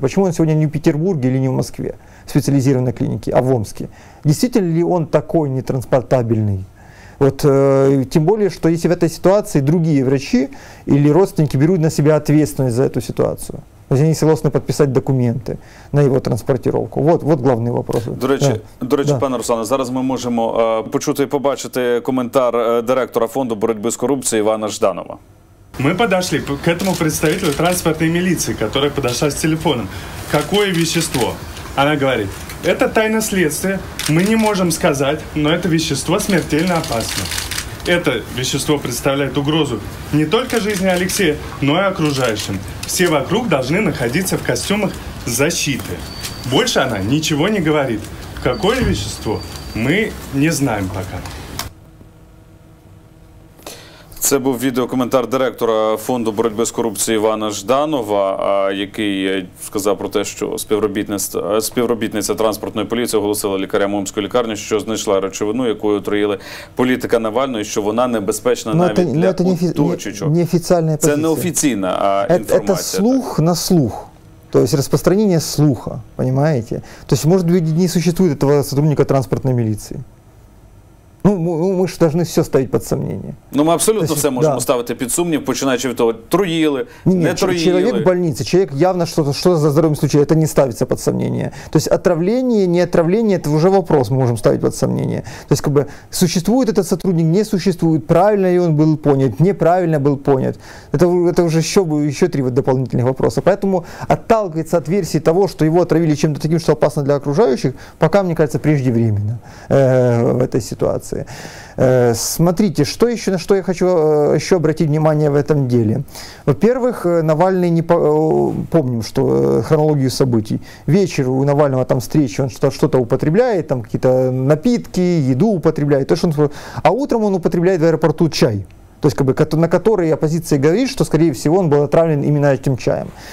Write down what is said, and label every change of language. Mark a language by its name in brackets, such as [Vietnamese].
[Russian] Почему он сегодня не в Петербурге или не в Москве, в специализированной клинике, а в Омске? Действительно ли он такой нетранспортабельный? Вот, тем более, что если в этой ситуации другие врачи или родственники берут на себя ответственность за эту ситуацию. То есть они согласны подписать документы на его транспортировку. Вот главный вопрос. [Ukrainian] До речі, пане Руслане, зараз ми можемо почути і побачити коментар директора фонду боротьби з корупцією Івана Жданова. [Russian] Мы подошли к этому представителю транспортной милиции, которая подошла с телефоном. Какое вещество? Она говорит, это тайна следствия, мы не можем сказать, но это вещество смертельно опасно. Это вещество представляет угрозу не только жизни Алексея, но и окружающим. Все вокруг должны находиться в костюмах защиты. Больше она ничего не говорит. Какое вещество, мы не знаем пока. [Ukrainian] Це був відеокоментар директора фонду боротьби з корупцією Івана Жданова, який сказав про те, що співробітниця транспортної поліції оголосила лікарям Омської лікарні, що знайшла речовину, якою отруїли політика Навального, і що вона небезпечна навіть для оточення. Це неофіційна інформація. Це слух на слух. [Russian] То есть розпространення слуха, розумієте? То есть, може, не существует этого сотрудника транспортної міліції. [Ukrainian] Ми ж повинні все ставити під сумнення. Ну, ми абсолютно все можемо ставити під сумнів, починаючи від того, труїли, не труїли. Чоловік в больниці, чоловік явно що за здоровим случаєм, це не ставиться під сумнення. Тобто отравлення, не отравлення, це вже вопрос, ми можемо ставити під сумнення. Тобто, якби, существує цей сотрудник, не существує, правильно ли він був понят, неправильно був понят. Це вже ще три дополнительних питання. Тому відталкується від версії того, що його отравили чимось таким, що опасно для окружаючих, поки, мені кажеться, преждевременно в цій ситуації. [Russian] Смотрите, что еще, на что я хочу еще обратить внимание в этом деле. Во-первых, Навальный, помним, что хронологию событий. Вечер у Навального там встреча, он что-то употребляет, там какие-то напитки, еду употребляет. То, что он, а утром он употребляет в аэропорту чай. То есть, как бы, на который оппозиция говорит, что, скорее всего, он был отравлен именно этим чаем.